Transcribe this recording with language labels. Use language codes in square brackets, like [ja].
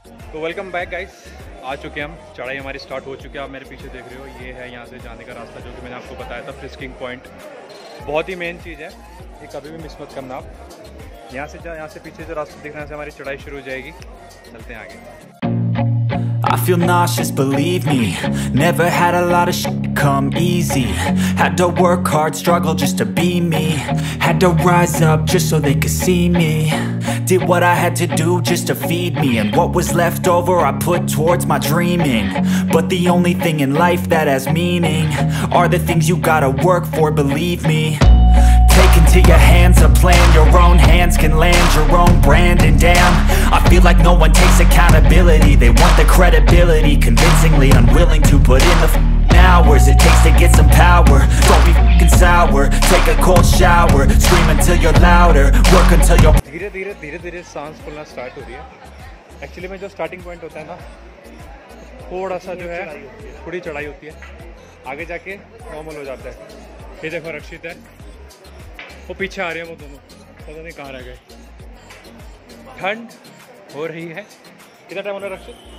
[hi] तो welcome back guys, आ चुके हम, चढ़ाई हमारी स्टार्ट हो चुकी है। आप मेरे पीछे देख रहे हो, ये है यहाँ से जाने का रास्ता, जो कि मैंने आपको बताया था, फ्रिस्किंग पॉइंट। बहुत ही मेन चीज़ है ये, कभी भी मिस मत करना आप। यहाँ से पीछे जो रास्ता दिख रहा है, हमारी चढ़ाई शुरू हो जाएगी, चलते हैं आगे। [en] I feel nauseous, believe me. Never had a lot of shit come easy. Had to work hard, struggle just to be me. Had to rise up just so they could see me. Did what I had to do just to feed me. And what was left over I put towards my dreaming. But the only thing in life that has meaning are the things you gotta work for, believe me. Into your hands a plan, your own hands can land your own brand. And damn, I feel like no one takes accountability. They want the credibility, convincingly unwilling to put in the hours it takes to get some power. Don't be f***ing sour, take a cold shower, scream until you're louder, work until you're [hi] धीरे-धीरे सांस फूलना start हो रही है। Actually में जो starting point होता है ना, थोड़ा सा जो है थोड़ी चढ़ाई होती है, आगे जाके नॉर्मल हो जाता है। ये देखो रक्षित है, वो पीछे आ रहे हैं, वो दोनों पता नहीं कहाँ रह गए। ठंड हो रही है, कितना टाइम होना रक्षित?